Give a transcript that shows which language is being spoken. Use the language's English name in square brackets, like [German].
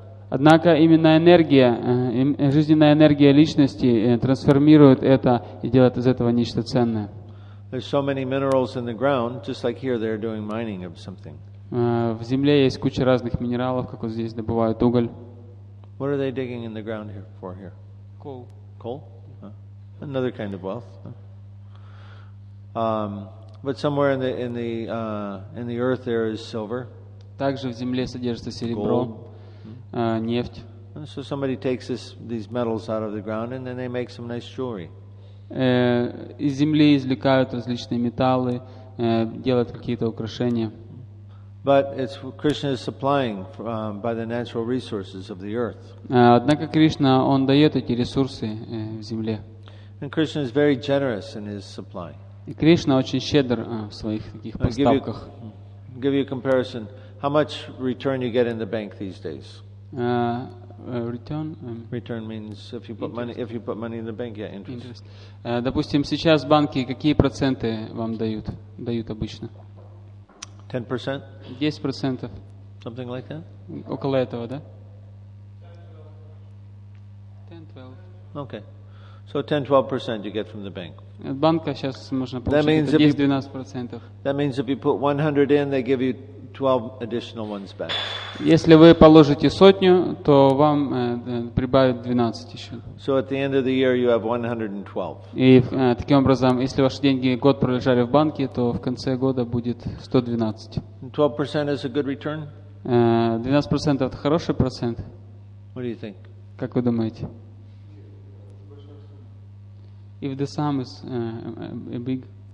[Russian] Однако именно энергия, жизненная энергия личности трансформирует это и делает из этого нечто ценное. [English] There's so many minerals in the ground, just like here they're doing mining of something. [Russian] В земле есть куча разных минералов, как вот здесь добывают уголь. [English] What are they digging in the ground here for here? Coal. Coal? Another kind of wealth. But somewhere in the earth there is silver. [Russian] Также в земле содержится серебро, нефть. [English] So somebody takes these metals out of the ground and then they make some nice jewelry. [Russian] Из земли извлекают различные металлы, делают какие-то украшения. [English] But it's Krishna is supplying by the natural resources of the earth. [Russian] Однако Кришна, он дает эти ресурсы в земле. [English] And Krishna is very generous in his supply. [Russian] И Кришна очень щедр в своих таких поставках. [English] Give you a comparison. How much return you get in the bank these days? Return. Return means if you put interest. Money. If you put money in the bank, yeah, interest. [Russian] Допустим, сейчас банки какие проценты вам дают? Дают обычно? 10%. 10%. [English] Something like that. [Russian] Около этого, да? 10-12. [English] Okay. So 10-12% you get from the bank. [Russian] От банка сейчас можно получить 10-12%. [English] That means if you put 100 in, they give you 12 additional ones back. [Russian] Если вы положите сотню, то вам прибавят 12 еще. [English] So at the end of the year you have 112. [Russian] И таким образом, если ваши деньги год пролежали в банке, то в конце года будет 112. [English] 12% is a good return? [Russian] 12% это хороший процент. [English] What do you think? [Russian] Как вы думаете? [English] If the sum is big.